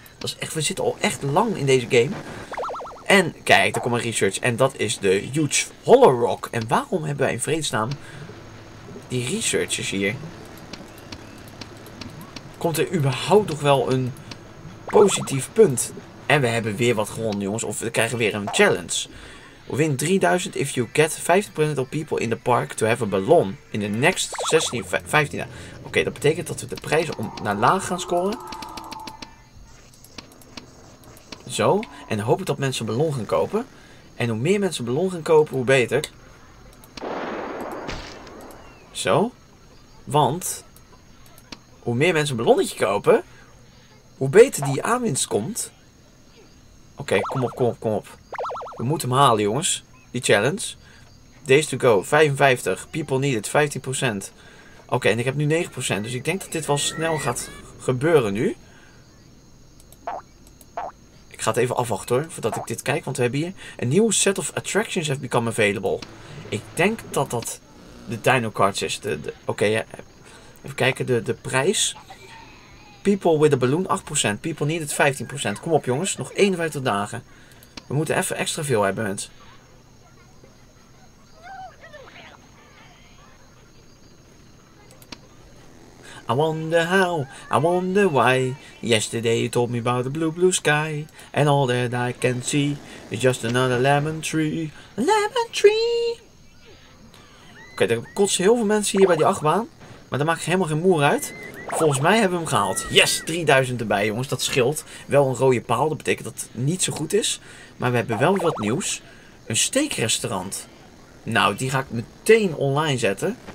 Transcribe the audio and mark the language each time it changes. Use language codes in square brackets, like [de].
[nl] Dat is echt, we zitten al echt lang in deze game. En kijk, er komt een research. En dat is de Huge Hollow Rock. En waarom hebben wij in vredesnaam die researchers hier? Komt er überhaupt nog wel een positief punt. En we hebben weer wat gewonnen, jongens. Of we krijgen weer een challenge. [en] Win 3000 if you get 50% of people in the park to have a ballon in the next 16, 15. [nl] Oké, dat betekent dat we de prijzen om naar laag gaan scoren. Zo. En dan hoop ik dat mensen een ballon gaan kopen. En hoe meer mensen een ballon gaan kopen, hoe beter. Zo. Want hoe meer mensen een ballonnetje kopen, hoe beter die aanwinst komt. Oké, kom op, kom op, kom op. We moeten hem halen, jongens. [en] Die challenge. Days to go. 55. People need it. 15%. [nl] Oké, en ik heb nu 9%. Dus ik denk dat dit wel snel gaat gebeuren nu. Ik ga het even afwachten, hoor. Voordat ik dit kijk. Want we hebben hier... [en] A new set of attractions have become available. [nl] Ik denk dat dat de Dino Cards is. Oké, ja. Even kijken. De prijs. [en] People with a balloon. [nl] 8%. [en] People need it. [nl] 15%. Kom op, jongens. Nog 51 dagen. We moeten even extra veel hebben, mensen. [en] I wonder how, I wonder why. Yesterday you told me about the blue, blue sky. And all that I can see is just another lemon tree. Lemon tree! [nl] Oké, er kotsen heel veel mensen hier bij die achtbaan. Maar daar maak ik helemaal geen moer uit. Volgens mij hebben we hem gehaald. Yes, 3000 erbij, jongens. Dat scheelt. Wel een rode paal. Dat betekent dat het niet zo goed is. Maar we hebben wel weer wat nieuws. Een steakrestaurant. Nou, die ga ik meteen online zetten.